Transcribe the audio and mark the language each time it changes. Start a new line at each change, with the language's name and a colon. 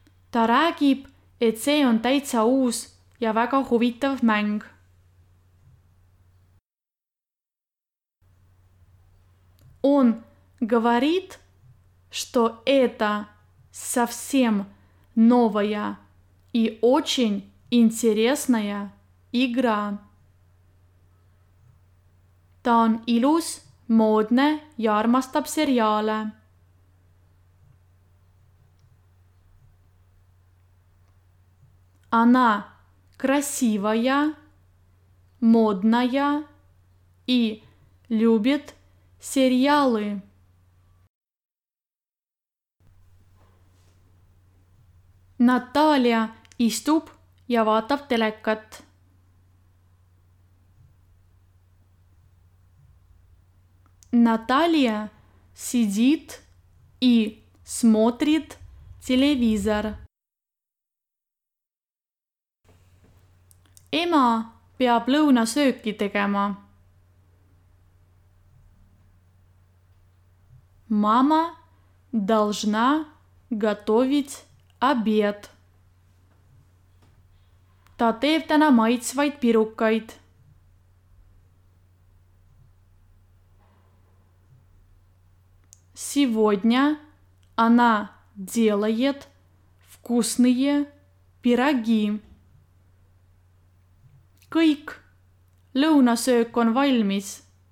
Estonian: Ta räägib, et see on täitsa uus ja väga huvitav mäng.
Russian: Он говорит, что это совсем новая и очень интересная игра.
Estonian: Ta on ilus, moodne ja armastab seriaale.
Russian: Она красивая, модная и любит сериалы.
Estonian: Наталья istub ja vaatab telekat.
Russian: Наталья сидит и смотрит телевизор.
Estonian: Ema peab lõunasööki tegema.
Russian: Mama должна готовить обед.
Estonian: Ta teeb täna maitsvaid pirukaid.
Russian: Сегодня она делает вкусные пироги.
Estonian: Kõik, lõunasöök on valmis.